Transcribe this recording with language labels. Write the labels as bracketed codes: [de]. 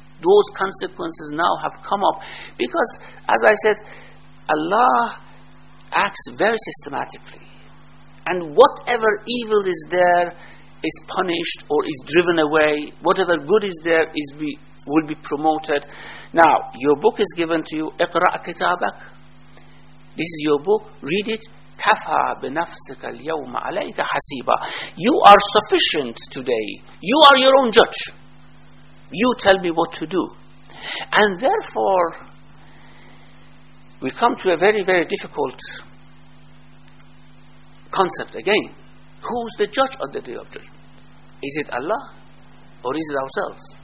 [en] Those consequences now have come up. Because, as I said, Allah acts very systematically. And whatever evil is there is punished or is driven away. Whatever good is there will be promoted. Now, your book is given to you. [ar] اقرأ كتابك. [en] This is your book. Read it. [ar] كفى بنفسك اليوم عليك حسيبا. [en] You are sufficient today. You are your own judge. You tell me what to do. And therefore, we come to a very, very difficult concept again. Who's the judge on the day of judgment? Is it Allah? Or is it ourselves?